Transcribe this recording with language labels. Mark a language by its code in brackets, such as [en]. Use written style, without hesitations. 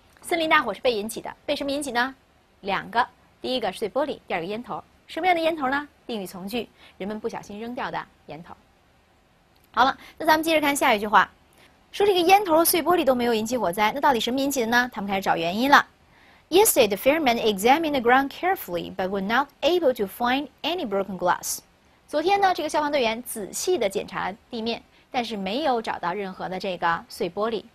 [zh] 森林大火是被引起的，被什么引起呢？两个，第一个碎玻璃，第二个烟头。什么样的烟头呢？定语从句，人们不小心扔掉的烟头。好了，那咱们接着看下一句话，说这个烟头和碎玻璃都没有引起火灾，那到底什么引起的呢？他们开始找原因了。 [en] Yesterday, the firemen examined the ground carefully, but were not able to find any broken glass. [zh] 昨天呢，这个消防队员仔细地检查地面，但是没有找到任何的这个碎玻璃。